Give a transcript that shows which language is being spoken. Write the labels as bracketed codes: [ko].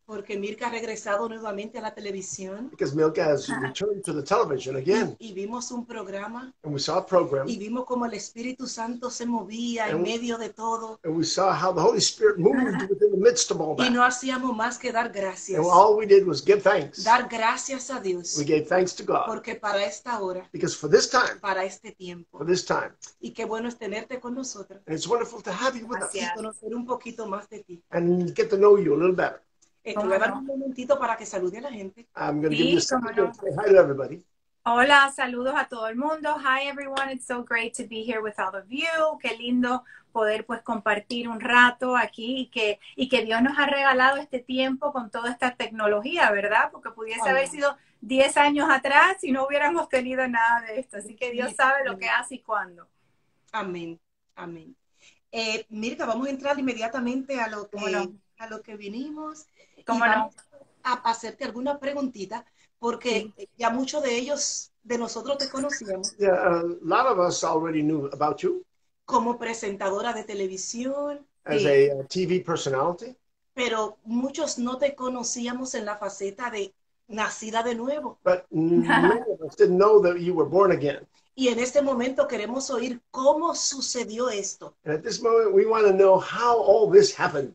[es] Porque Mirka ha regresado nuevamente a la televisión. [en] Because Mirka has returned to the television again. [es] Y vimos un programa. [en] And we saw a program. [es] Y vimos cómo el Espíritu Santo se movía en medio de todo. [en] And we saw how the Holy Spirit moved within the midst of all that. [es] Y no hacíamos más que dar gracias. [en] And all we did was give thanks. [es] Dar gracias a Dios. [en] We gave thanks to God. [es] Porque para esta hora. [en] Because for this time. [es] Para este tiempo. [en] For this time. [es] Y qué bueno es tenerte con nosotros. [en] And it's wonderful to have you with [es] Así [en] us. [es] Así conocer un poquito. [en] And get to know you a little better. I'm going to give you a second to say hi to everybody. [es] Hola, saludos a todo el mundo. [en] Hi, everyone. It's so great to be here with all of you. [es] Qué lindo poder pues compartir un rato aquí y que Dios nos ha regalado este tiempo con toda esta tecnología, ¿verdad? Porque pudiese haber sido 10 años atrás y no hubiéramos tenido nada de esto. Así que Dios sabe lo que hace y cuándo. Amén. Amén. Mirka, vamos a entrar inmediatamente a lo que vinimos. ¿Cómo no? A hacerte alguna preguntita, porque ya muchos de ellos, de nosotros te conocíamos. [en] Yeah, a lot of us already knew about you. [es] Como presentadora de televisión. [en] As a TV personality. [es] Pero muchos no te conocíamos en la faceta de nacida de nuevo. [en] But many of us didn't know that you were born again. [es] Y en este momento queremos oír cómo sucedió esto. [en] At this moment, we want to know how all this happened.